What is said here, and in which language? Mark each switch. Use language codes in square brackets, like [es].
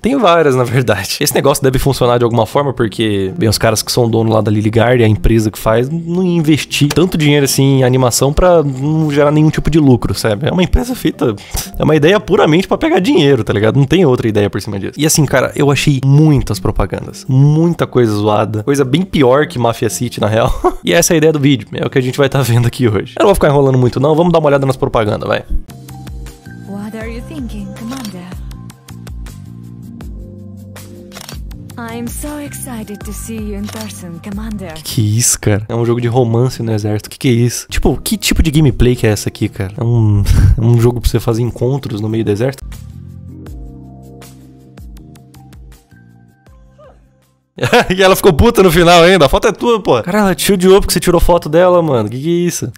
[pt] Tem várias, na verdade. Esse negócio deve funcionar de alguma forma, porque, bem, os caras que são dono lá da Lily Garden, a empresa que faz, não investir tanto dinheiro assim em animação pra não gerar nenhum tipo de lucro, sabe? É uma empresa feita... É uma ideia puramente pra pegar dinheiro, tá ligado? Não tem outra ideia por cima disso. E assim, cara, eu achei muitas propagandas. Muita coisa zoada. Coisa bem pior que Mafia City, na real. E essa é a ideia do vídeo. É o que a gente vai estar vendo aqui hoje. Eu não vou ficar enrolando muito, não. Vamos dar uma olhada nas propagandas, vai. [en] What are you thinking, I'm so excited to see you in person, Commander. [pt] Que isso, cara? É um jogo de romance no exército. Que é isso? Tipo, que tipo de gameplay que é essa aqui, cara? É um jogo pra você fazer encontros no meio do exército? E ela ficou puta no final ainda. A foto é tua, pô. Cara, ela te odiou porque você tirou foto dela, mano. Que é isso?